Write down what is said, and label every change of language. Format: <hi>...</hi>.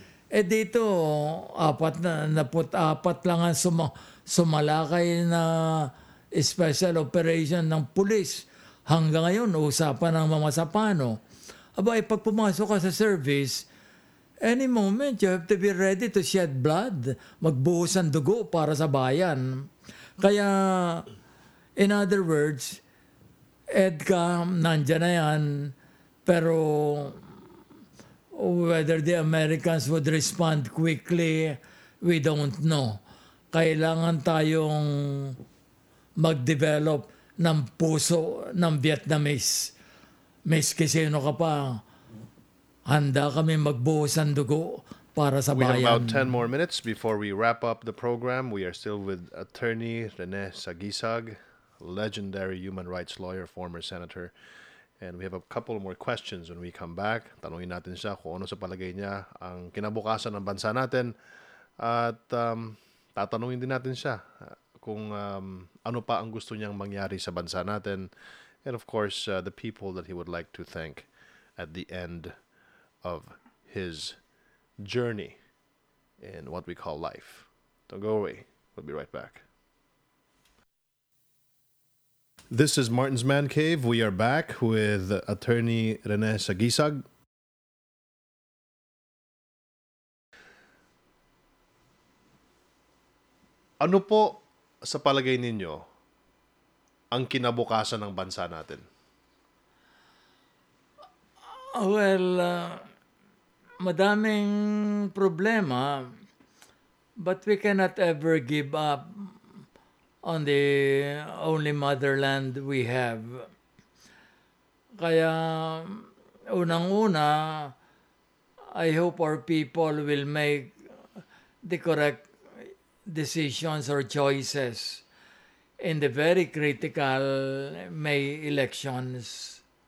<tl>Eh dito, apat lang ang sumalakay na special operation ng pulis. Hanggang ngayon, usapan ng mga sapano. Aba, eh, pag pumasok ka sa service,</tl> <en>any moment, you have to be ready to shed blood.</en> <tl>Magbuhos ang dugo para sa bayan.</tl> <en>Kaya, in other words, EDCA,</en> <tl>nandyan na yan, pero</tl> <en>whether the Americans would respond quickly, we don't know.</en> <tl>Kailangan tayong mag-develop ng puso ng Vietnamese. Miski sino ka pa, handa kami magbuhos ng dugo para sa bayan.</tl> <en>We have about 10 more minutes before we wrap up the program. We are still with attorney Rene Saguisag, legendary human rights lawyer, former senator. And we have a couple more questions when we come back.</en> <tl>Tanungin natin siya kung ano sa palagay niya ang kinabukasan ng bansa natin. At tatanungin din natin siya kung ano pa ang gusto niyang mangyari sa bansa natin.</tl> <en>And of course, the people that he would like to thank at the end of his journey in what we call life. Don't go away. We'll be right back. This is Martin's Man Cave. We are back with attorney Rene Saguisag.</en> <tl>Ano po sa palagay ninyo ang kinabukasan ng bansa natin?</tl> <en>Well,</en> <tl>madaming problema,</tl> <en>but we cannot ever give up on the only motherland we have.</en> <tl>Kaya unang-una,</tl> <en>I hope our people will make the correct decisions or choices in the very critical May elections.</en>